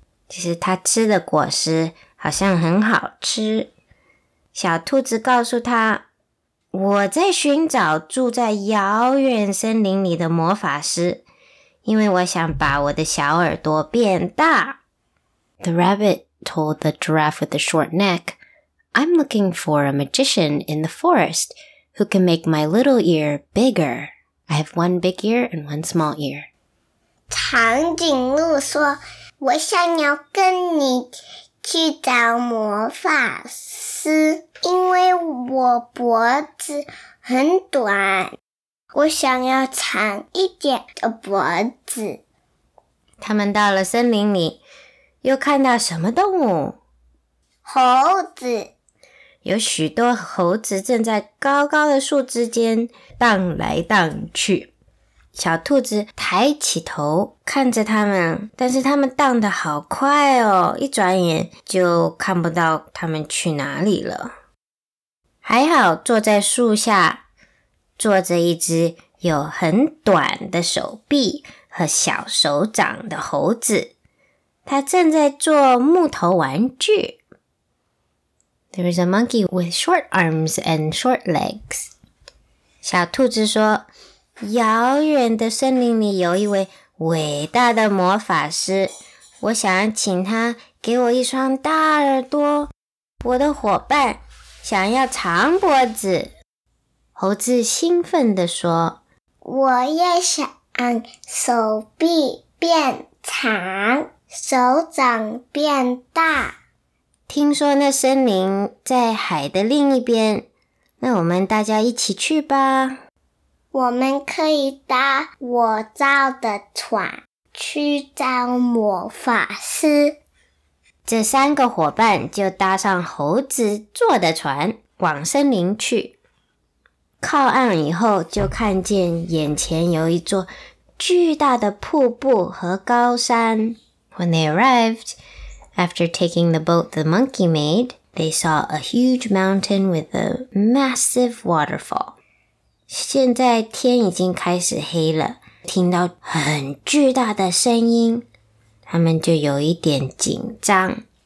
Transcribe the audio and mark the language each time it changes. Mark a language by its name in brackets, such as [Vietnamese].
[Chinese] 其实他吃的果实好像很好吃。小兔子告诉他，我在寻找住在遥远森林里的魔法师，因为我想把我的小耳朵变大。 [English] The rabbit told the giraffe with the short neck, I'm looking for a magician in the forest who can make my little ear bigger. I have one big ear and one small ear. [Chinese] 长颈鹿说，我想要跟你去找魔法师，因为我脖子很短，我想要长一点的脖子。他们到了森林里，又看到什么动物？猴子。有许多猴子正在高高的树枝间荡来荡去。小兔子抬起头看着他们，但是他们荡得好快哦，一转眼就看不到他们去哪里了。还好坐在树下坐着一只有很短的手臂和小手掌的猴子，他正在做木头玩具。 [English] There is a monkey with short arms and short legs. [Chinese] 小兔子说，遥远的森林里有一位伟大的魔法师，我想请他给我一双大耳朵。我的伙伴想要长脖子。猴子兴奋地说，我也想手臂变长，手掌变大。听说那森林在海的另一边，那我们大家一起去吧。我们可以搭我造的船去找魔法师。这三个伙伴就搭上猴子坐的船往森林去。靠岸以后，就看见眼前有一座巨大的瀑布和高山。 [English] When they arrived, after taking the boat the monkey made, they saw a huge mountain with a massive waterfall. [Chinese] 现在天已经开始黑了，听到很巨大的声音，他们就有一点紧张。